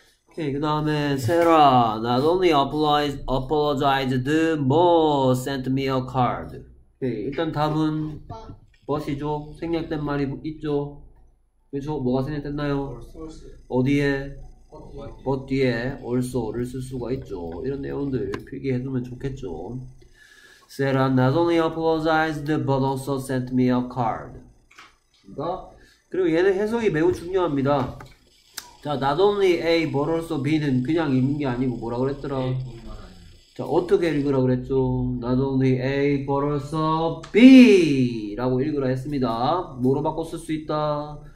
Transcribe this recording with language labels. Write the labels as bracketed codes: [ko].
[ko] 오케이, 그 다음에 [en] 세라 not only apologized, but sent me a card. [ko] 오케이, 일단 답은 but이죠. 생략된 말이 있죠. 그렇죠? 뭐가 생략됐나요? 어디에? but 뒤에 also를 쓸 수가 있죠. 이런 내용들 필기해두면 좋겠죠. [en] 세라 not only apologized, but also sent me a card. [ko] 그러니까. 그리고 얘는 해석이 매우 중요합니다. 자, not only A, but also B는 그냥 읽는 게 아니고 뭐라 그랬더라? 자, 어떻게 읽으라 그랬죠? [en] not only A, but also B라고 [ko] 읽으라 했습니다. 뭐로 바꿔 쓸수 있다?